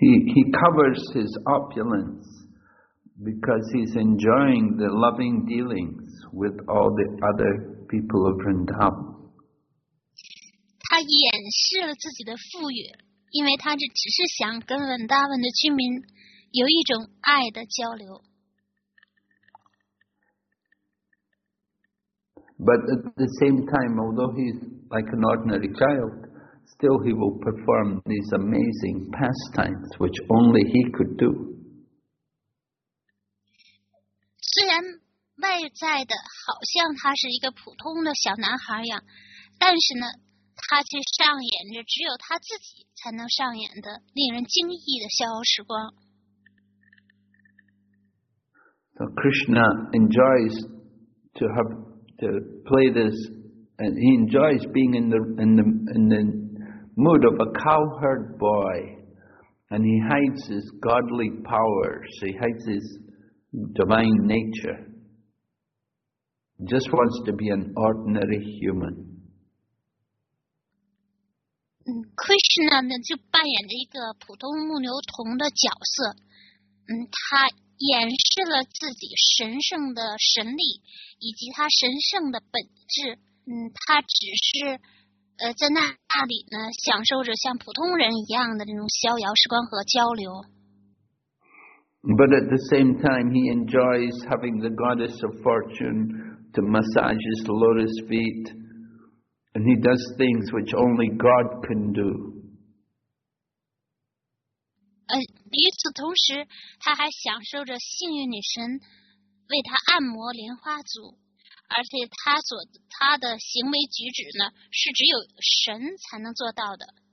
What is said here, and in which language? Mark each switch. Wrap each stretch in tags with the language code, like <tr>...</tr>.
<en>He covers his opulence because he's enjoying the loving dealings with all the other people of Vrindavan.</en> <zh>他掩饰了自己的富裕，因为他只是想跟文达文的居民有一种爱的交流。</zh> <en>But at the same time, although he's like an ordinary child, still he will perform these amazing pastimes which only he could do.</en> <zh>虽然外在的好像他是一个普通的小男孩一样，但是呢。他去上演着只有他自己才能上演的令人惊异的逍遥时光。</zh> <en>So Krishna enjoys to have to play this, and he enjoys being in the mood of a cowherd boy, and he hides his godly powers, he hides his divine nature. Just wants to be an ordinary human.</en> <zh>Krishna 呢就扮演着一个普通牧牛童的角色，他掩饰了自己神圣的神力以及他神圣的本质，他只是在那里呢享受着像普通人一样的那种逍遥时光和交流。</zh> <en>But at the same time, he enjoys having the goddess of fortune to massage his lotus feet, and he does things which only God can do.</en> <zh>与此同时，他还享受着幸运女神为他按摩莲花足，而且他的行为举止呢，是只有神才能做到的。</zh>